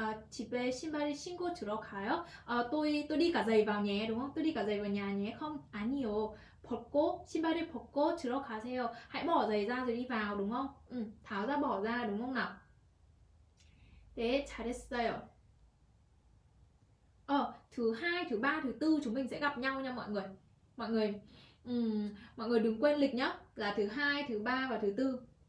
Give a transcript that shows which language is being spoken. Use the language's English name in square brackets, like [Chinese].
[Korean] 집에 신발을 신고 들어가요? [Vietnamese] Tôi đi cả giày vào nhé, đúng không? Tôi đi cả giày vào nhà nhé. Không, 아니요. [Korean] 벗고 신발을 벗고 들어가세요. [Vietnamese] Hãy bỏ giày ra rồi đi vào, đúng không? Ừ, tháo ra, bỏ ra, đúng không nào? [Korean] 네, 잘했어요. [Vietnamese] Thứ hai, thứ ba, thứ tư chúng mình sẽ gặp nhau nha mọi người. Mọi người đừng quên lịch nhá, là thứ hai, thứ ba và thứ tư.